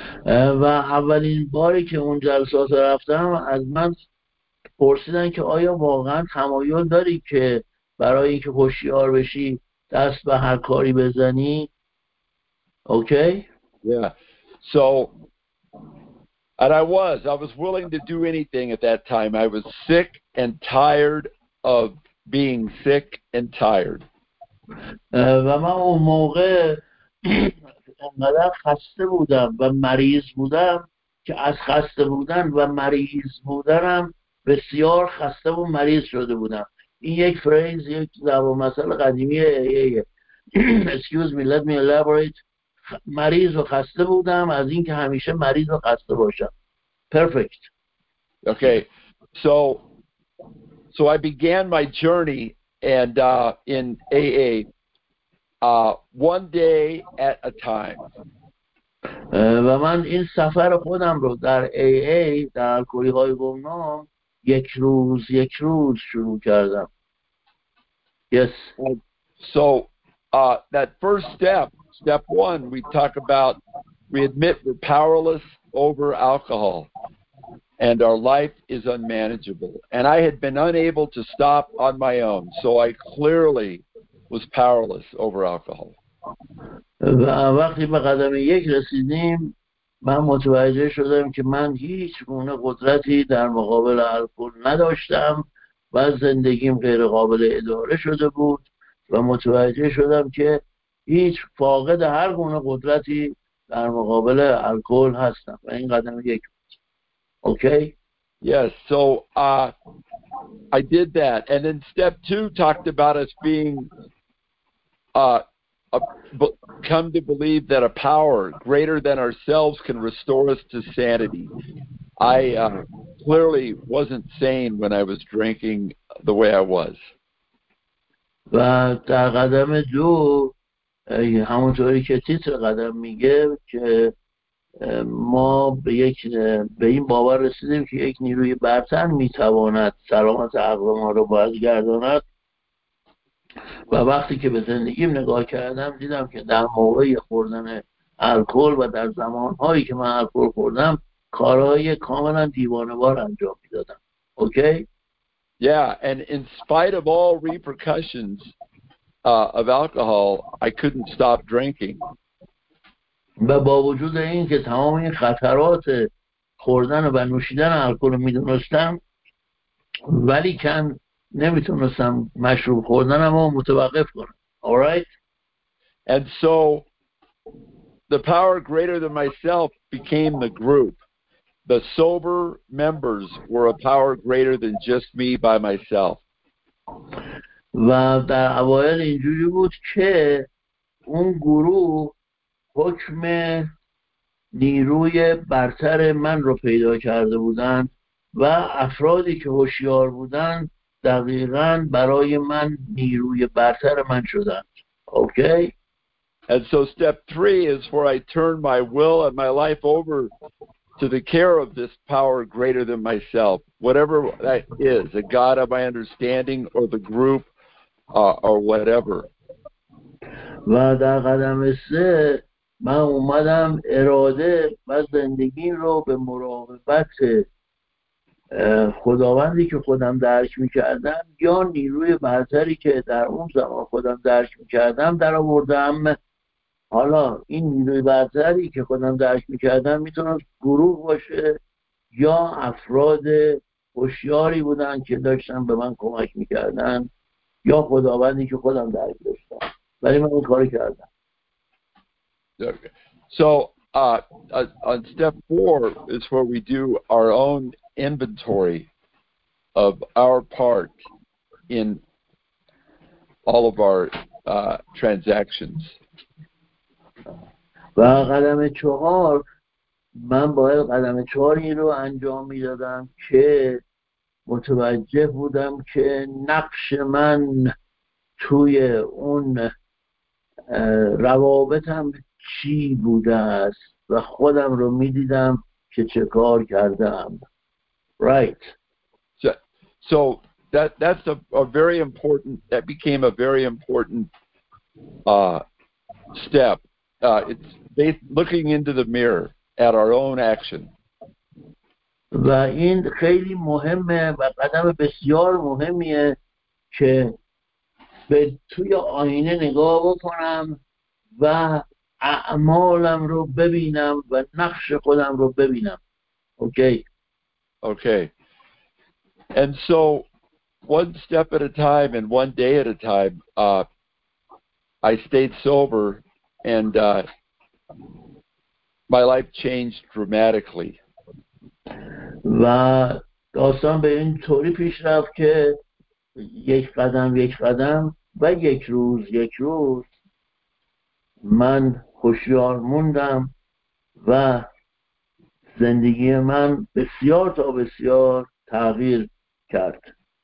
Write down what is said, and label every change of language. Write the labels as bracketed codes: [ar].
[fa] و اولین باری که اون جلسات رفتم از من پرسیدن که آیا واقعا تمایل داری که برای اینکه هوشیار بشی دست به هر کاری بزنی. [en] Okay? Yeah. So and I was willing to do anything at that time. I was sick and tired of being sick and tired. [fa] و من اون موقع انقدر خسته بودم و مریض بودم که از خسته بودن و مریض بودنم بسیار خسته و مریض شده بودم. این یک فریز، یک ضرب المثل قدیمی [en] excuse me, let me elaborate. [fa] مریض و خسته بودم از اینکه همیشه مریض و خسته باشم. [en] Perfect. Okay. So I began my journey and in AA one day at a time. [fa] و من این سفر خودم رو در AA در الکلی‌های گمنام یک روز شروع کردم. [en] Yes. So that first step one, we talk about, we admit we're powerless over alcohol and our life is unmanageable. And I had been unable to stop on my own, so I clearly was powerless over alcohol. [fa] وقتی به قدم یک رسیدیم من متوجه شدم که من هیچ گونه قدرتی در مقابل الکل نداشتم و زندگیم غیر قابل اداره شده بود و متوجه شدم که هیچ فاقد هر گونه قدرتی در مقابل الکل هستم و این قدم یک بود. [en] Okay? Yes, so I did that. And then step two talked about us being come to believe that a power greater than ourselves can restore us to sanity. I clearly wasn't sane when I was drinking the way I was. [fa] و در قدم دو همونطوری که تیتر قدم میگه که ما به این باور رسیدیم که یک نیروی برتر میتواند سلامت عقل ما رو بازگرداند. و وقتی که به زندگیم نگاه کردم دیدم که در موقع خوردن الکل و در زمانهایی که من الکل خوردم کارهای کاملا دیوانه‌وار انجام میدادم. [en] Okay? Yeah, and in spite of all repercussions of alcohol, I couldn't stop drinking. [fa] و با وجود این که تمام این خطرات خوردن و نوشیدن الکل رو میدونستم ولی کن نمیتونستم مشروب خوردنم رو متوقف کنم. [en] All right? And so the power greater than myself became the group. The sober members were a power greater than just me by myself. [fa] و در اوائل اینجوری بود که اون گروه حکم نیروی برتر من رو پیدا کرده بودن و افرادی که هوشیار بودن دقیقاً برای من نیروی برتر من شدند. [en] Okay. And so step three is where I turn my will and my life over to the care of this power greater than myself, whatever that is, the god of my understanding or the group or whatever. [fa] و در قدم سه من اومدم اراده و زندگی رو به مراقبت خداوندی که خودم درک میکردم یا نیروی برتری که در اون زمان خودم درک میکردم در آوردم. حالا این نیروی برتری که خودم درک میکردم میتونست گروه باشه یا افراد هوشیاری بودن که داشتن به من کمک میکردن یا خداوندی که خودم درک داشتم، ولی من این کارو کردم. [en] So on step four is where we do our own inventory of our part in all of our transactions. [fa] و قدم چهار من باید قدم چهاری رو انجام میدادم که متوجه بودم که نقش من توی اون روابطم چی بوده است و خودم رو میدیدم که چه کار کردم. [en] Right. So that's a very important, that became a very important step. It's looking into the mirror at our own action. [fa] و این خیلی مهمه و قدم بسیار مهمیه که به توی آینه نگاه بکنم و اعمالم رو ببینم و نقش خودم رو ببینم. [en] Okay. Okay. And so one step at a time and one day at a time, I stayed sober, and my life changed dramatically. [fa] و داستان به این طوری پیش رفت که یک قدم یک قدم و یک روز یک روز من هوشیار موندم و زندگی من بسیار تا بسیار تغییر کرد.